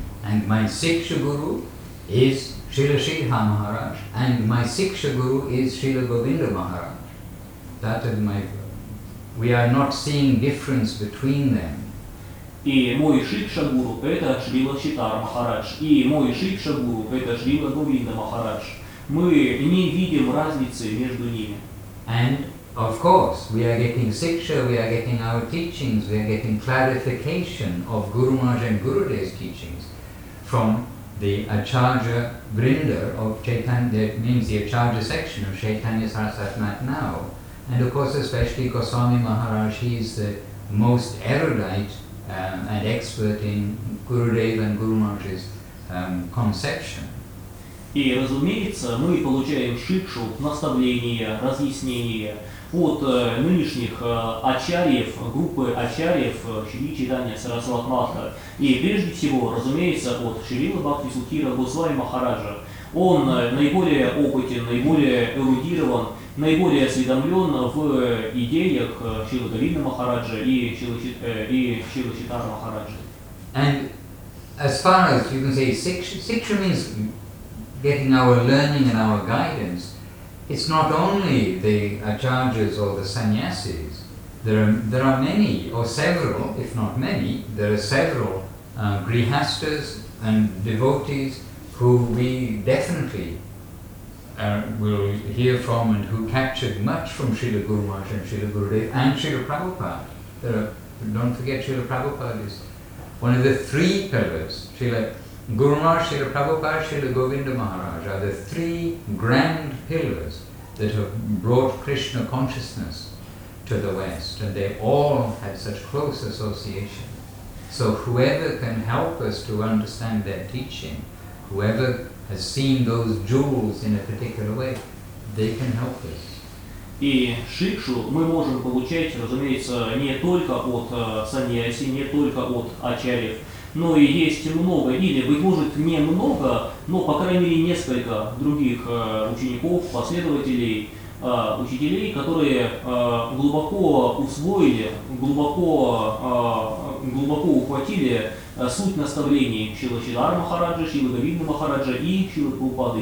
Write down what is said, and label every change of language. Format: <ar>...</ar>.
<en>And my Сикша Гуру is Шрила Шридхар Махарадж, and my Сикша Гуру is Шрила Говинда Махарадж. That is my... We are not seeing difference between them.</en> <ru>И мой Шикша Гуру – это Шрила Читар Махарадж. И мой Шикша Гуру – это Шрила Говинда Махарадж. Мы не видим разницы между ними.</ru> <en>And, of course, we are getting Siksha, we are getting our teachings, we are getting clarification of Guru Maharaj and Gurudev's teachings from the Acharya Vrinda of Chaitanya, that means the Acharya section of Chaitanya Sarasatmat now. And, of course, especially Goswami Maharaj, he is the most erudite and expert in Gurudev and Guru Maharaj's conception.</en> <ru>И, разумеется, мы получаем шикшу, наставления, разъяснения от нынешних ачарьев, группы ачарьев Шри Чайтанья Сарасватмата. И прежде всего, разумеется, от Шрилы Бхакти Сутхира Госвами Махараджа. Он наиболее опытен, наиболее эрудирован, наиболее осведомлен в идеях Шрилы Говинда Махараджа и Шрилы Читара Махараджа.</ru> <en>And as far as you can say, Siksha means getting our learning and our guidance. It's not only the acharyas or the sannyasis. There are many, or several, if not many, there are several grihasthas and devotees who we definitely will hear from and who captured much from Srila Guru Maharaj and Srila Gurudev and Srila Prabhupada. There are, don't forget, Srila Prabhupada is one of the three pillars. Srila Guru Maharaj, Srila Prabhupada, Srila Govinda Maharaj are the three grand pillars that have brought Krishna consciousness to the West, and they all had such close association. So whoever can help us to understand their teaching, whoever has seen those jewels in a particular way, they can help us.</en> <ru>И шикшу мы можем получать, разумеется, не только от саньяси, не только от ачарьев, но и есть много, или, быть может, не много, но, по крайней мере, несколько других учеников, последователей, учителей, которые глубоко усвоили, глубоко ухватили суть наставлений Шрилы Сидхартхи Махараджа, Шрилы Говинда Махараджа и Шрилы Прабхупады.</ru>